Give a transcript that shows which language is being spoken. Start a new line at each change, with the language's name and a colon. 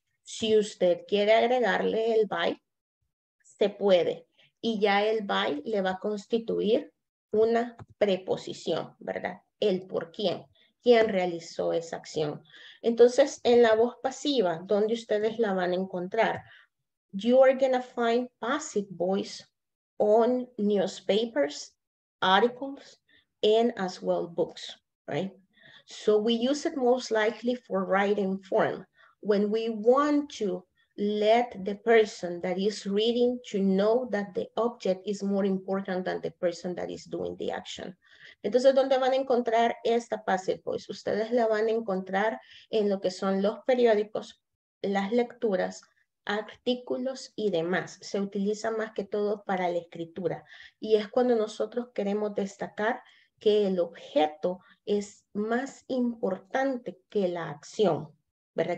Spanish: Si usted quiere agregarle el by, se puede, y ya el by le va a constituir una preposición, ¿verdad? El por quién, quién realizó esa acción. Entonces, en la voz pasiva, ¿dónde ustedes la van a encontrar?
English: you are going to find passive voice on newspapers, articles, and as well books, right? So we use it most likely for writing form. When we want to let the person that is reading to know that the object is more important than the person that is doing the action.
Spanish: Entonces, ¿dónde van a encontrar esta passive voice? Ustedes la van a encontrar en lo que son los periódicos, las lecturas, artículos y demás. Se utiliza más que todo para la escritura. Y es cuando nosotros queremos destacar que el objeto es más importante que la acción, ¿verdad?